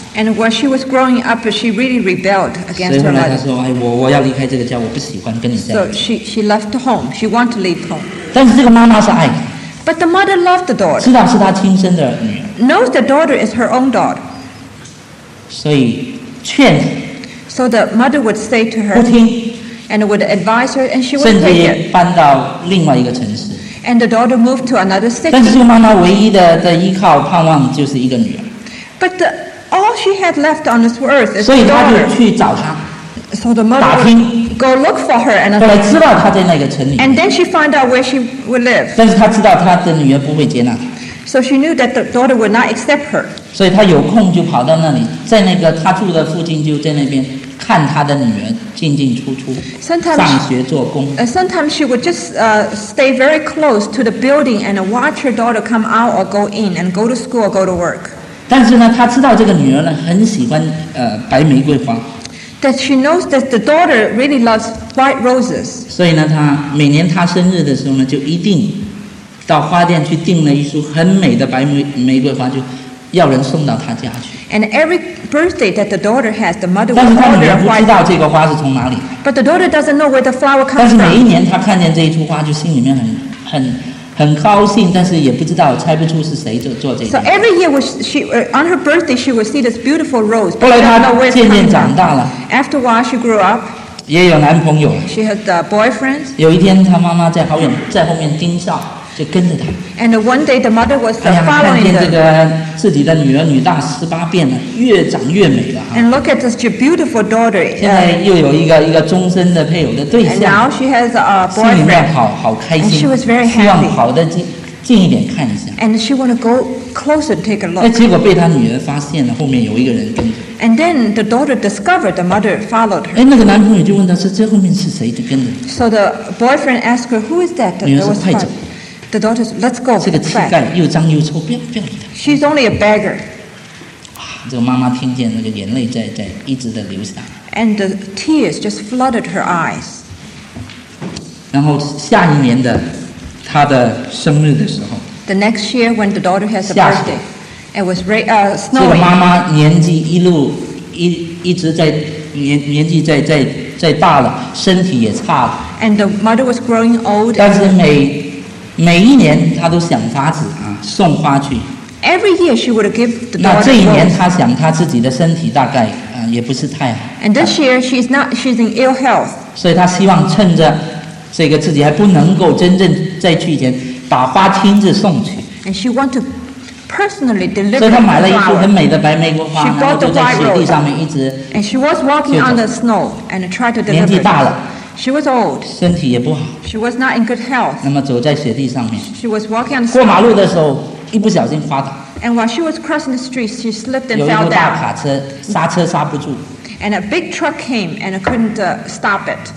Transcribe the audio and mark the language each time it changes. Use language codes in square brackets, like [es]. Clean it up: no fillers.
[en] And when she was growing up, she really rebelled against her mother. [zh] 所以后来她说：“哎，我要离开这个家，我不喜欢跟你在。” [en] So she left home. She wanted to leave home. [zh] 但是这个妈妈是爱的。 [en] But the mother loved the daughter. [zh] 知道是她亲生的女儿。 [en] Knows the daughter is her own daughter. [zh] 所以劝。 [en] So the mother would say to her. [zh] 不听。 [en] And would advise her, and she would take it. [zh] 甚至搬到另外一个城市。 [en] And the daughter moved to another city. [zh] 但是这个妈妈唯一的依靠盼望就是一个女儿。 [en] But all she had left on this earth is her daughter. [zh] 所以她就去找她。 [en] So the mother [zh] 打听。 [en] Go look for her and. [zh] 后来知道她在那个城里。 [en] And then she found out where she would live. [zh] 但是她知道她的女儿不会接纳她。 [en] So she knew that the daughter would not accept her. [zh] 所以她有空就跑到那里，在那个她住的附近就在那边。看她的女儿进进出出，上学做工。 [en] Sometimes she would just stay very close to the building and watch her daughter come out or go in and go to school or go to work. [zh] 但是呢，她知道这个女儿呢很喜欢白玫瑰花。 [en] That she knows that the daughter really loves white roses. [zh] 所以呢，她每年她生日的时候呢，就一定到花店去订了一束很美的白玫瑰花，就要人送到她家去。 [en] And every birthday that the daughter has, the mother will order [zh] 但是她女儿不知道这个花是从哪里。 [en] But the daughter doesn't know where the flower comes from. [zh] 但是每一年她看见这一束花，就心里面很高兴，但是也不知道猜不出是谁做这个。 [en] So every year on her birthday she would see this beautiful rose. [zh] 后来她渐渐长大了。 [en] After a while she grew up. [zh] 也有男朋友。 [en] She has a boyfriend. [zh] 有一天她妈妈在好远在后面盯梢。就跟着他。 [en] And one day the mother was following them. [zh] 哎呀，看见这个自己的女儿女大十八变了，越长越美了。 [en] And look at this beautiful daughter. [zh] 现在又有一个终身的配偶的对象。 [en] And now she has a boyfriend. [zh] 心里面好开心。 [en] And she was very happy. [zh] 希望跑得近一点看一下。 [en] And she want to go closer to take a look. [zh] 哎，结果被她女儿发现了，后面有一个人跟着。 [en] And then the daughter discovered the mother followed her. [zh] 哎，那个男朋友就问她说：“这后面是谁跟着？” [en] So the boyfriend asked her, "Who is that?" [zh] 女儿说：“快走。” [en] The daughter says, "Let's go." [zh] 这个乞丐又脏又臭，不要理他。 [en] She's only a beggar. [zh] 这个妈妈听见那个眼泪在一直的流下。 [en] And the tears just flooded her eyes. [zh] 然后下一年的她的生日的时候 [en] ，The next year when the daughter has a birthday, it was snowing. [zh] 这个妈妈年纪一路一直在年纪在大了，身体也差了。 [en] And the mother was growing old. [zh] 但是每一年她都想法子啊送花去。 [en] Every year she would give the daughter. [zh] 那这一年她想她自己的身体大概也不是太好。 [en] And this year she's in ill health. [zh] 所以她希望趁着这个自己还不能够真正再去以前，把花亲自送去。 [en] And she want to personally deliver. [zh] 所以她买了一束很美的白玫瑰花， [en] she bought the white rose. [zh] 然后就在雪地上面一直。 [en] And she was walking on the snow and tried to deliver. [zh] 年纪大了。 [en] She was old. [zh] 身体也不好。 [en] She was not in good health. [zh] 那么走在雪地上面。 [en] She was walking on the [zh] 过马路的时候，一不小心滑倒。 [en] And while she was crossing the street, she slipped and fell down. [zh] 有一个大卡车，刹车刹不住。 [en] And a big truck came and I couldn't stop it.